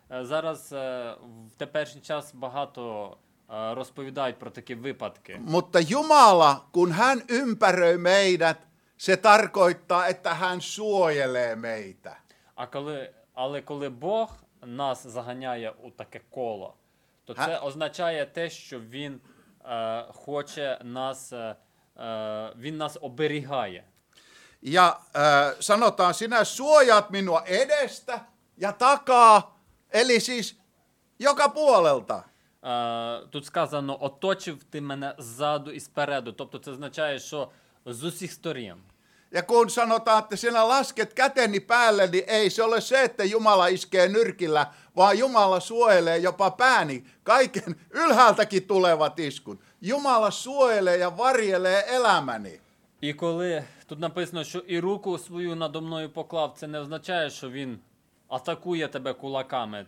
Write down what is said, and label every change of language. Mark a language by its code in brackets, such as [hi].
[uk] Зараз в теперішній час багато розповідають про такі випадки. [fi] Mutta Jumala, kun hän ympäröi meidät, se tarkoittaa, että hän suojelee meitä. [uk] Але коли Бог нас заганяє у таке коло, то це означає те, що він хоче нас, він нас оберігає. [fi] Ja sanotaan, sinä suojaat minua edestä ja takaa, eli siis joka puolelta. [uk] Тут сказано, оточив ти мене ззаду і спереду, тобто це означає, що з усіх сторін. [fi] Ja kun sanotaan, että sinä lasket käteni päälle, niin ei se ole se, että Jumala iskee nyrkillä, vaan Jumala suojelee jopa pääni. Kaiken ylhäältäkin tulevat iskut. Jumala suojelee ja varjelee elämäni. [uk] І коли тут написано, що і руку свою надо мною поклав, це не означає, що він атакує тебе кулаками.